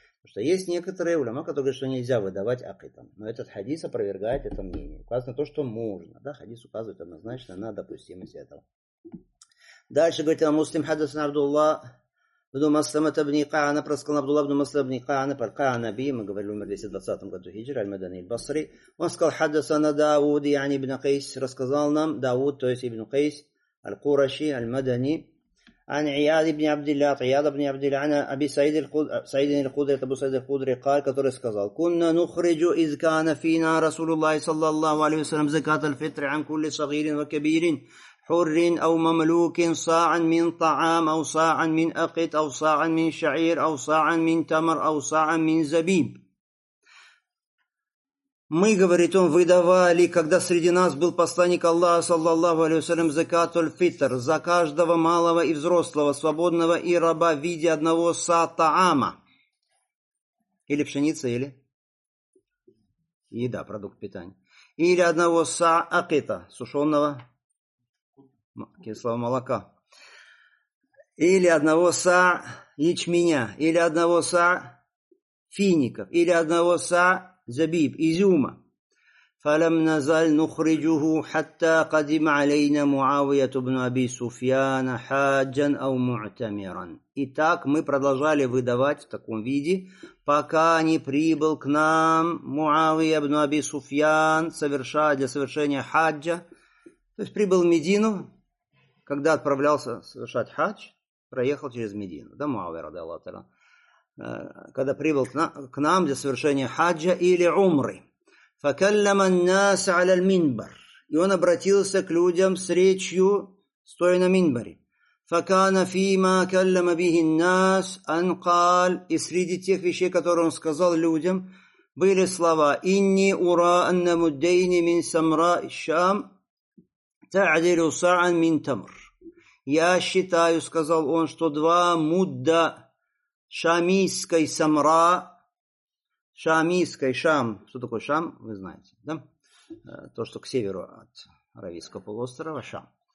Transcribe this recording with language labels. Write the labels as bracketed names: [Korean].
[Russian] Потому что есть некоторые улема, которые говорят, что нельзя выдавать акетом. Но этот хадис опровергает это мнение. Указано то, что можно. Да, хадис указывает однозначно на допустимость этого. Дальше говорит о муслим хадасан Абдулла бну Масламат абни Каана, проскал Абдулла бну Масламат абни Каана, пар Каана би, мы говорили, умер в 220 году хиджр, аль-Мадани аль-Басри. Он сказал, хадасана Дауд, яни ибн Кейс, рассказал нам, Дауд, то есть ибн Кейс, аль-Кураши, аль-Мадани, [Arabic] عن عياد بن عبد الله عياد بن عبد الله عن أبي سعيد سعيد الخدري أبو سعيد الخدري قال [Russian] который сказал [Arabic] كنا نخرج إذ كان فينا رسول الله صلى الله عليه وسلم زكاة الفطر عن كل صغير وكبير حر أو مملوك صاعا من طعام أو صاعا من أقط أو صاعا من شعير أو صاعا من تمر أو صاعا من زبيب. [Russian] Мы, говорит он, выдавали, когда среди нас был посланник Аллаха, саллаллаху алейхи ва саллям, закату аль-фитр, за каждого малого и взрослого, свободного и раба в виде одного са-таама. Или пшеница, или еда, продукт питания. Или одного са-акита, сушеного кислого молока. Или одного са-ячменя, или одного са-фиников, или одного са-забиб, изюма. [Arabic] فلم نزل نخرجه حتى قدم علينا معاوية بن أبي سفيان حاجا أو معتمرا. [Russian] Итак, мы продолжали выдавать в таком виде, пока не прибыл к нам Муавия ибн Аби Суфьян, совершая для совершения хаджа. То есть прибыл в Медину, когда отправлялся совершать хадж, проехал через Медину, да, Муавия радиаллаху анху. Когда прибыл к нам для совершения хаджа или умры. [Arabic] فكلم الناس على المنبر. [Russian] И он обратился к людям с речью, стоя на минбаре. [Arabic] فكان فيما كلم به الناس أن قال. [Russian] И среди тех вещей, которые он сказал людям, были слова: [Arabic] إني أرى أن مدين من سمراء الشام تعدل صاعا من تمر. [Russian] Я считаю, сказал он, что два мудда шамийской самра. Шамийской, Шам. Что такое Шам? Вы знаете, да? То, что к северу от Аравийского полуострова, Шам.